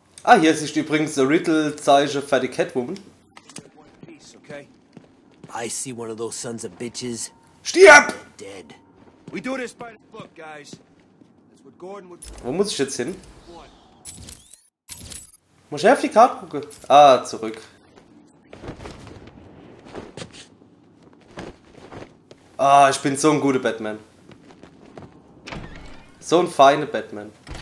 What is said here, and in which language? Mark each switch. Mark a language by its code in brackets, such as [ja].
[de] Ah, hier ist übrigens der Riddle-Zeichen für die Catwoman. [en] I see one of those sons of bitches. [de] Stirb! [en] Dead. We do this by the book, guys. That's what Gordon would. [de] Wo muss ich jetzt hin? Muss ich auf die Karte gucken? Ah, zurück. Ah, ich bin so ein guter Batman. So ein feiner Batman.